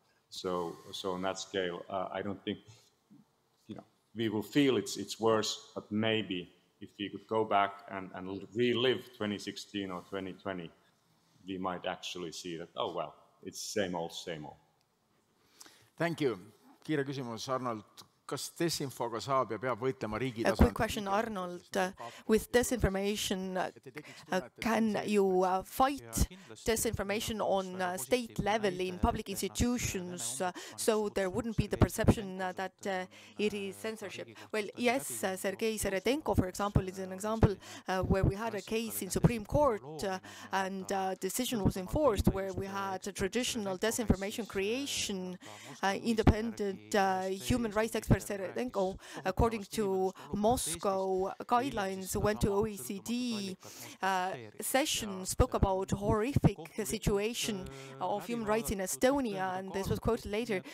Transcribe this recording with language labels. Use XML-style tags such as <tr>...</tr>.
<en>So on that scale, I don't think, we will feel it's worse, but maybe if we could go back and relive 2016 or 2020, we might actually see that, oh well, it's same old, same old. Thank you.</en> <et>Kiire küsimus, Arnold. Kas desinfoga saab ja peab võitlema riigi tasandil?</et> <en>A quick question, Arnold. With disinformation, can you fight disinformation on state level in public institutions so there wouldn't be the perception that it is censorship? Well, yes, Sergei Seredenko, for example, is an example where we had a case in Supreme Court and a decision was enforced where we had a traditional disinformation creation, independent human rights expert Seredenko, according to Moscow guidelines, went to OECD session, spoke about horrific situation of human rights in Estonia, and this was quoted later.</en>